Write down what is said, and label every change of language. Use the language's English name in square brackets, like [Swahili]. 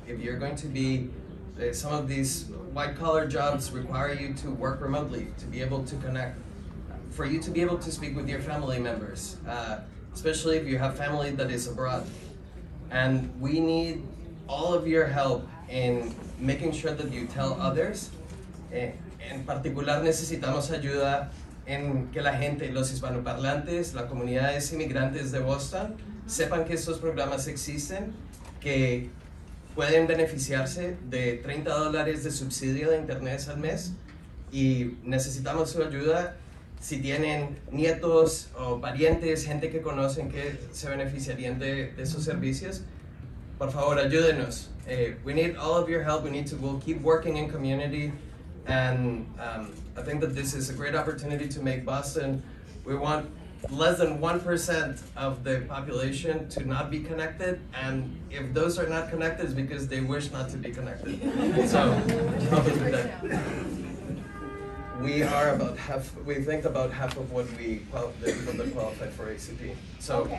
[English] If you're going to be, some of these white collar jobs require you to work remotely, to be able to connect, for you to be able to speak with your family members, especially if you have family that is abroad. And we need all of your help in making sure that you tell others. [Spanish] En particular, necesitamos ayuda en que la gente, los hispanoparlantes, las comunidades inmigrantes de Boston, sepan que estos programas existen, que pueden beneficiarse de $30 de subsidio de internet al mes, y necesitamos su ayuda. Si tienen nietos o parientes, gente que conocen que se beneficiarían de esos servicios, por favor, ayúdenos. [English] We need all of your help. We'll keep working in community. And I think that this is a great opportunity to make Boston. We want less than 1% of the population to not be connected. And if those are not connected, it's because they wish not to be connected. So help us with that. We are about half, we think about half of what we qualified for ACP. So okay.